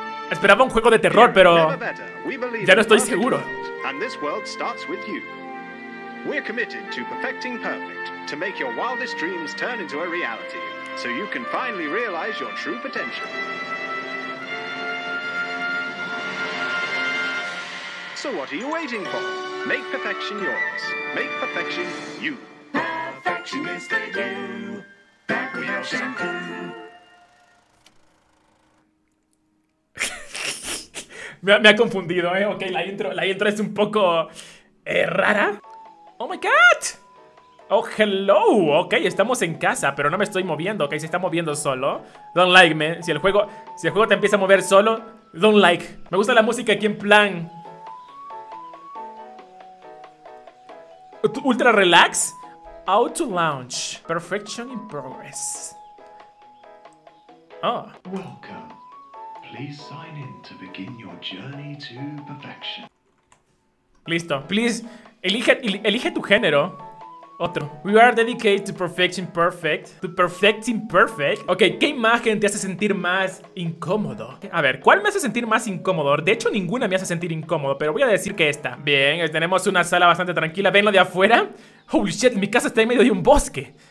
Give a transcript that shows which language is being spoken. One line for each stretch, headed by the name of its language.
Spanish: Esperaba un juego de terror, pero ya no estoy seguro.
English: And this world starts with you. We're committed to perfecting perfect, to make your wildest dreams turn into a reality, so you can finally realize your true potential. So what are you waiting for? Make perfection yours. Make perfection you.
Spanish: Me ha confundido, ¿eh? Ok, la intro es un poco rara.
English: Oh my god. Oh, hello.
Spanish: Ok, estamos en casa, pero no me estoy moviendo. Ok, se está moviendo solo.
English: Don't like, man.
Spanish: Si el juego te empieza a mover solo,
English: don't like.
Spanish: Me gusta la música aquí en plan ultra relax.
English: Auto launch. Perfection in progress. Oh. Welcome. Please sign in to begin your journey to perfection.
Spanish: Listo.
English: Please
Spanish: elige tu género. Otro.
English: We are dedicated to perfection perfect. To perfecting perfect.
Spanish: Ok, ¿qué imagen te hace sentir más incómodo? A ver, ¿cuál me hace sentir más incómodo? De hecho, ninguna me hace sentir incómodo, pero voy a decir que esta. Bien, tenemos una sala bastante tranquila. ¿Ven lo de afuera?
English: Holy shit,
Spanish: mi casa está en medio de un bosque.